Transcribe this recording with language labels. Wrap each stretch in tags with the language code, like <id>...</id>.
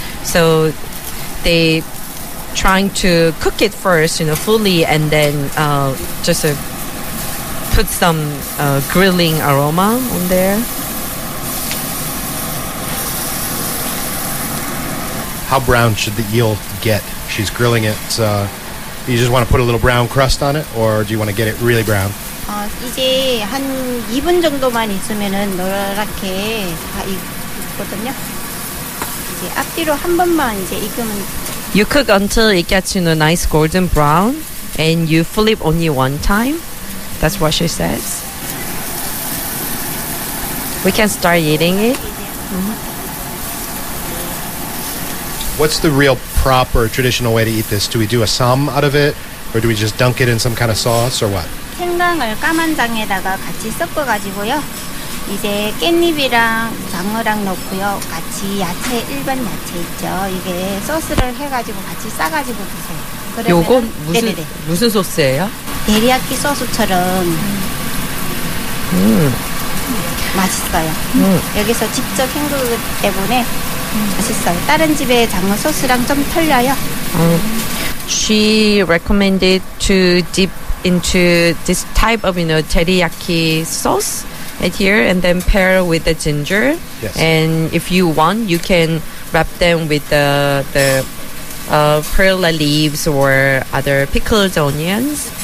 <en>So they trying to cook it first, you know, fully, and then just put some grilling aroma on there. How brown should the eel get? She's grilling it. You just want to put a little brown crust on it, or do you want to get it really brown?</en> <ko>이제 한 2분 정도만 있으면은 노랗게 다 익거든요. 이제 앞뒤로 한 번만 이제 익으면.</ko> <en>You cook until it gets, you know, nice golden brown, and you flip only one time. That's what she says. We can start eating it. Mm-hmm. What's the real proper traditional way to eat this? Do we do a sam out of it, or do we just dunk it in some kind of sauce, or what?</en> <ko>생강을 까만 장에다가 같이 섞어 가지고요. 이제 깻잎이랑 장어랑 넣고요. 같이 야채 일반 야채 있죠. 이게 소스를 해가지고 같이 싸가지고 드세요. 그러면 요거 무슨 네네네. 무슨 소스예요? 데리야끼 소스처럼. 맛있어요. 여기서 직접 헹구기 때문에. 맛있어요. 다른 집에 장어 소스랑 좀 틀려요.</ko> <en>She recommended to dip into this type of, you know, teriyaki sauce right here and then pair with the ginger. Yes. And if you want, you can wrap them with the perilla leaves or other pickled onions.</en>